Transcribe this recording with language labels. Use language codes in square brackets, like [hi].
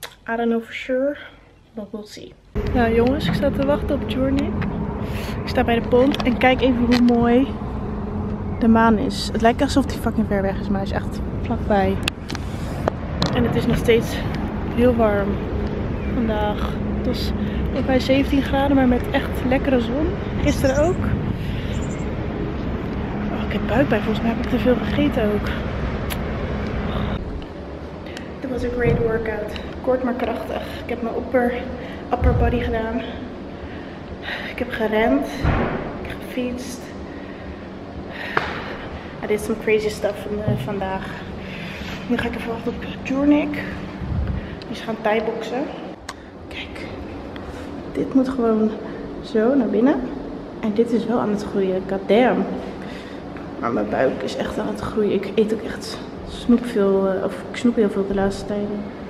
[en] I don't know for sure, but we'll see. [nl] Nou jongens, ik sta te wachten op Journey. Ik sta bij de pont en kijk even hoe mooi de maan is. Het lijkt alsof die fucking ver weg is, maar hij is echt vlakbij. En het is nog steeds heel warm vandaag. Het was ook bij 17 graden, maar met echt lekkere zon. Gisteren ook. Oh, ik heb buikpijn. Volgens mij heb ik te veel gegeten ook. Dit was een [en] great workout. [nl] Kort maar krachtig. Ik heb mijn [en] upper body [nl] gedaan. Ik heb gerend. Ik heb gefietst. [en] I did some crazy stuff [nl] vandaag. Nu ga ik even wachten op Jornik. Die is gaan thaiboksen. Kijk. Dit moet gewoon zo naar binnen. En dit is wel aan het groeien. God damn. Maar mijn buik is echt aan het groeien. Ik eet ook echt snoep veel. Of ik snoep heel veel de laatste tijden.